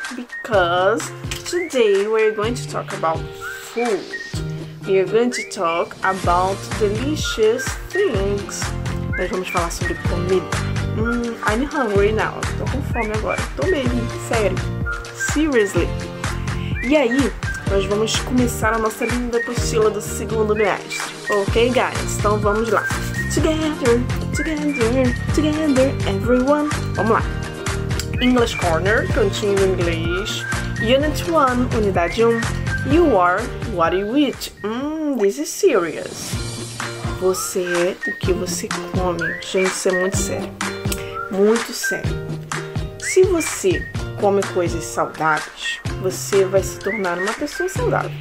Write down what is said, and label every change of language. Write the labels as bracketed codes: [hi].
[en] Because today we're going to talk about food. We're going to talk about delicious things. [pt] Nós vamos falar sobre comida. [en] I'm hungry now. [pt] Tô com fome agora. Tô mesmo, sério. [en] Seriously. [pt] E aí, nós vamos começar a nossa linda apostila do segundo mestre. [en] Ok, guys? [pt] Então vamos lá. [en] Together, together, together, everyone. [pt] Vamos lá. English Corner, cantinho em inglês. [en] Unit 1, unidade 1. You are what you eat. This is serious. [pt] Você é o que você come. Gente, isso é muito sério. Muito sério. Se você come coisas saudáveis, você vai se tornar uma pessoa saudável.